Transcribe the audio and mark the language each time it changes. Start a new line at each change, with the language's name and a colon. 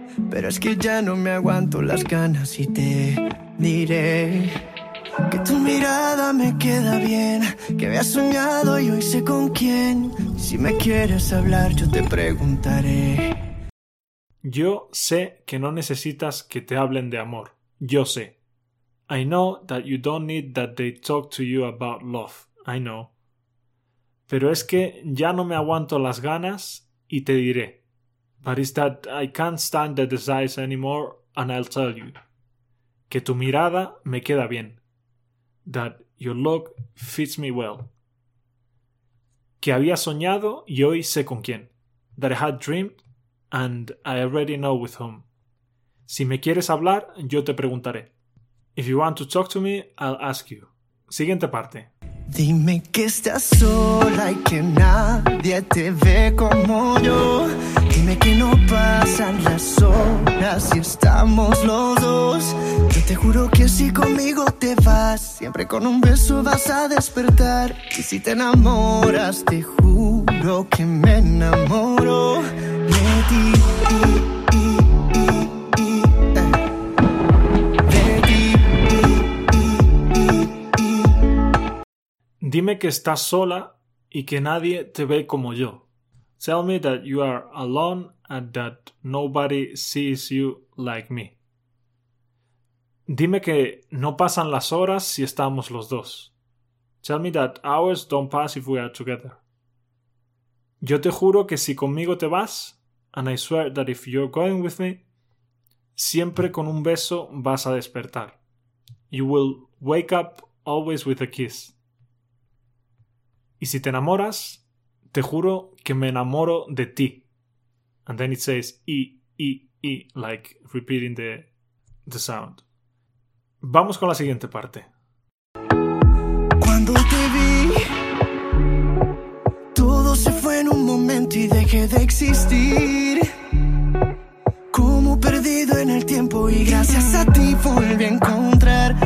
Spanish: Pero es que ya no me aguanto las ganas y te diré que tu mirada me queda bien, que había soñado y hoy sé con quién. Si me quieres hablar, yo te preguntaré. Yo sé que no necesitas que te hablen de amor. Yo sé.
English: I know that you don't need that they talk to you about love. I know.
Spanish: Pero es que ya no me aguanto las ganas y te diré.
English: But it's that I can't stand the desires anymore and I'll tell you.
Spanish: Que tu mirada me queda bien.
English: That your look fits me well.
Spanish: Que había soñado y hoy sé con quién.
English: That I had dreamed and I already know with whom.
Spanish: Si me quieres hablar, yo te preguntaré.
English: If you want to talk to me, I'll ask you.
Spanish: Siguiente parte. Dime que estás sola y que nadie te ve como yo. Dime que no pasan las horas y estamos los dos. Yo te juro que si conmigo te vas, siempre con un beso vas a despertar. Y si te enamoras, te juro que me enamoro de ti. Dime que estás sola y que nadie te ve como yo.
English: Tell me that you are alone and that nobody sees you like me.
Spanish: Dime que no pasan las horas si estamos los dos.
English: Tell me that hours don't pass if we are together.
Spanish: Yo te juro que si conmigo te vas,
English: and I swear that if you're going with me,
Spanish: siempre con un beso vas a despertar.
English: You will wake up always with a kiss.
Spanish: Y si te enamoras, te juro que me enamoro de ti.
English: And then it says e, like repeating the sound.
Spanish: Vamos con la siguiente parte. Cuando te vi, todo se fue en un momento y dejé de existir. Como perdido en el tiempo y gracias a ti volví a encontrar.